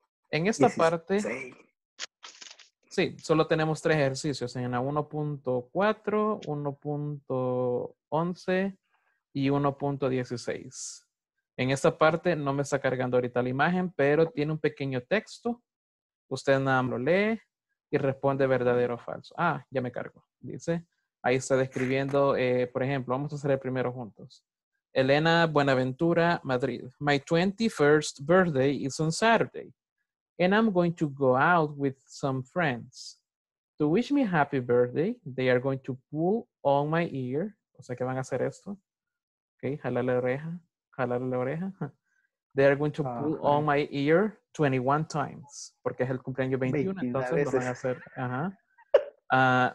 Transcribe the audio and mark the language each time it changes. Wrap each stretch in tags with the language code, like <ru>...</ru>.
<es>En esta parte, sí, solo tenemos tres ejercicios, en la 1.4, 1.11 y 1.16. En esta parte no me está cargando ahorita la imagen, pero tiene un pequeño texto. Usted nada más lo lee y responde verdadero o falso. Ah, ya me cargo, dice. Ahí está describiendo, por ejemplo, vamos a hacer el primero juntos. Elena Buenaventura, Madrid.</es> <en>My 21st birthday is on Saturday, and I'm going to go out with some friends. To wish me happy birthday, they are going to pull on my ear.</en> <es>O sea, que van a hacer esto. Okay, jalar la oreja. Jalar la oreja.</es> <en>They are going to pull on my ear 21 times.</en> <es>Porque es el cumpleaños 21, entonces veces. Lo van a hacer.</es>